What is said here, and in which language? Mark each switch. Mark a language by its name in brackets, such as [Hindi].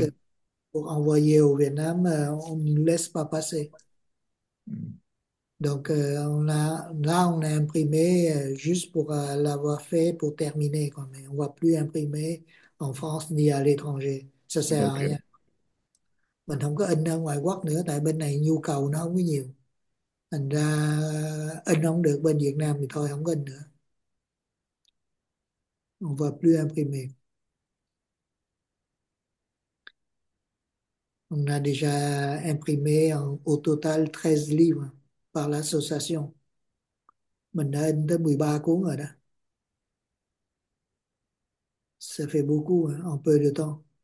[French] que pour envoyer au Vietnam, on ne nous laisse pas passer. Donc là on a imprimé juste pour l'avoir fait pour terminer quand même. On va plus imprimer en France ni à l'étranger, ça sert à Ok. rien. [Vietnamese] Mình không có in ở ngoài quốc nữa tại bên này nhu cầu nó không có nhiều, thành ra in không được bên Việt Nam thì thôi không có in nữa, [French] on va plus imprimer. On a déjà imprimé au total 13 livres par l'association. [Vietnamese] Mình đã in tới 13 cuốn rồi đó. [French] Ça fait beaucoup, hein, en peu de temps.